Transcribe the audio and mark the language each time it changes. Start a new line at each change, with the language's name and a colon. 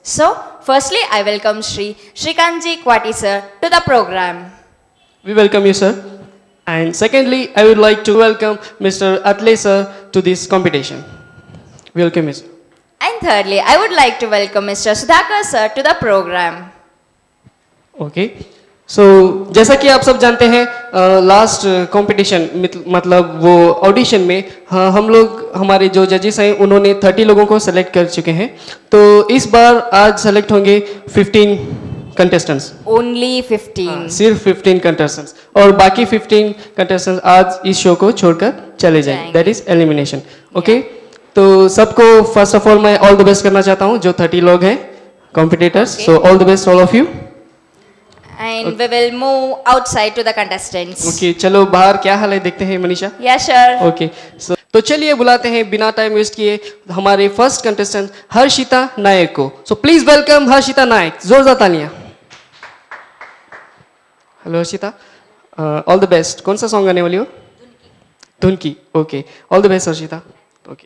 English: So, firstly, I welcome Sri Shrikanji Kwati sir to the program. We welcome you, sir. And secondly, I would like to welcome Mr. Atle sir to this competition. Welcome, sir. And thirdly, I would like to welcome Mr. Sudhakar sir to the program. Okay.
Hindi: So, जैसा कि आप सब जानते हैं last competition मतलब वो audition में हम लोग हमारे जो जजेस हैं उन्होंने 30 लोगों को सेलेक्ट कर चुके हैं तो इस बार आज सेलेक्ट होंगे 15 कंटेस्टेंट्स
English: only 15
Hindi: सिर्फ 15 कंटेस्टेंट्स और बाकी 15 कंटेस्टेंट्स आज इस शो को छोड़कर चले जाएंगे
English: that is elimination
Hindi: ओके तो सबको
English: first of all
Hindi: मैं ऑल द बेस्ट करना चाहता हूँ जो 30 लोग हैं competitors
English: So all the best all of you And okay. we will move outside to the contestants.
Hindi: Okay, चलो बाहर क्या हाल है देखते हैं Manisha
English: Yes, sir.
Hindi: Okay, so तो चलिए बुलाते हैं बिना टाइम वेस्ट किए हमारे फर्स्ट कंटेस्टेंट हर्षिता नायक को
English: so please welcome
Hindi: हर्षिता नायक जोरदार तालियां hello Harshita all the best कौन सा सॉन्ग आने वाली हो धुनकी okay all the best Harshita okay